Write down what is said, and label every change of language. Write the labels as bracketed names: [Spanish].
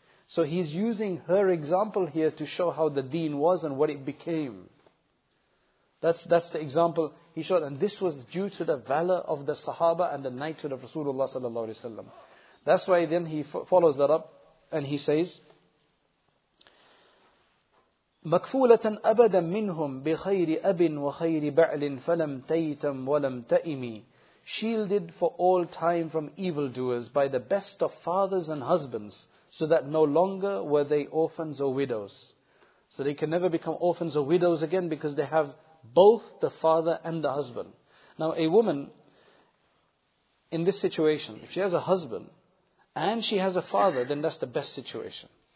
[English] So he's using her example here to show how the deen was and what it became. That's the example he showed. And this was due to the valor of the Sahaba and the knighthood of Rasulullah sallallahu alaihi wasallam. That's why then he follows that up and he says, [Arabic] مكفولة أبدا منهم بخير أب وخير بعل فلم تيتم ولم تأمي. [English] Shielded for all time from evildoers by the best of fathers and husbands, so that no longer were they orphans or widows. So they can never become orphans or widows again because they have both the father and the husband. Now a woman in this situation, if she has a husband and she has a father, then that's the best situation.